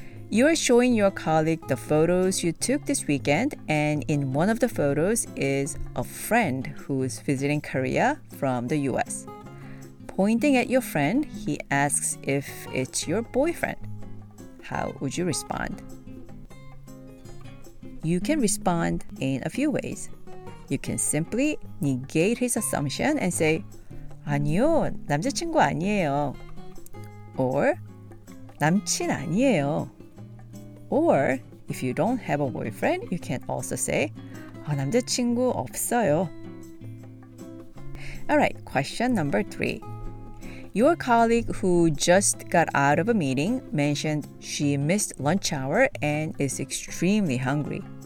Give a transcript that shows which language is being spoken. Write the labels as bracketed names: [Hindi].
[English] You are showing your colleague the photos you took this weekend, and in one of the photos is a friend who is visiting Korea from the US. Pointing at your friend, he asks if it's your boyfriend. How would you respond? You can respond in a few ways. You can simply negate his assumption and say, [Korean] 아니요, 남자친구 아니에요. [English] Or, [Korean] 남친 아니에요. [English] Or, if you don't have a boyfriend, you can also say, [Korean] 아, 남자친구 없어요. [English] Alright, question number 3. Your colleague who just got out of a meeting mentioned she missed lunch hour and is extremely hungry.